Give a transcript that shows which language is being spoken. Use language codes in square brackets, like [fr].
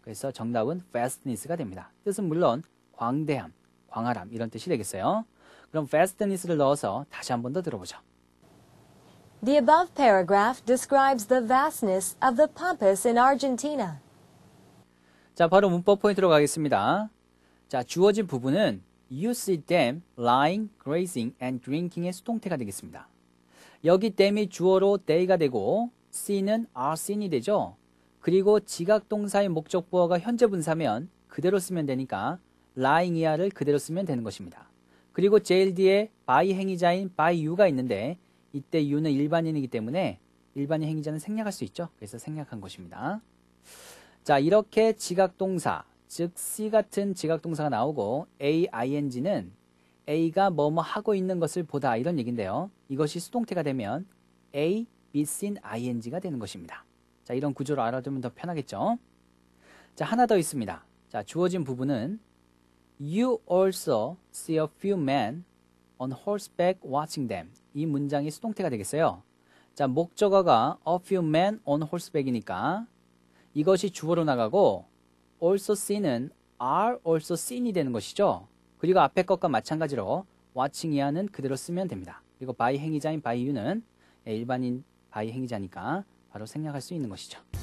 [ko] 그래서 정답은 vastness가 됩니다. 뜻은 물론 광대함, 광활함 이런 뜻이 되겠어요. 그럼 vastness를 넣어서 다시 한 번 더 들어보죠. [en] The above paragraph describes the vastness of the pampas in Argentina. [ko] 자, 바로 문법 포인트로 가겠습니다. 자, 주어진 부분은 [en] you see them lying, grazing, and drinking의 [ko] 수동태가 되겠습니다. 여기 them이 주어로 they가 되고 see는 are seen이 되죠. 그리고 지각동사의 목적부어가 현재분사면 그대로 쓰면 되니까 lying 이하를 그대로 쓰면 되는 것입니다. 그리고 제일 뒤에 by 행위자인 by you가 있는데 이때 you는 일반인이기 때문에 일반인 행위자는 생략할 수 있죠. 그래서 생략한 것입니다. 자, 이렇게 지각동사, 즉 see 같은 지각동사가 나오고 aing는 a가 뭐뭐 하고 있는 것을 보다 이런 얘기인데요. 이것이 수동태가 되면 a, be seen, ing가 되는 것입니다. 자, 이런 구조를 알아두면 더 편하겠죠. 자, 하나 더 있습니다. 자, 주어진 부분은 [en] you also see a few men on horseback watching them. [ko] 이 문장이 수동태가 되겠어요. 자, 목적어가 [en] a few men on horseback [ko] 이니까 이것이 주어로 나가고 also seen은 are also seen이 되는 것이죠. 그리고 앞에 것과 마찬가지로 watching 이하는 그대로 쓰면 됩니다. 그리고 by 행위자인 by you는 일반인 by 행위자니까 바로 생략할 수 있는 것이죠.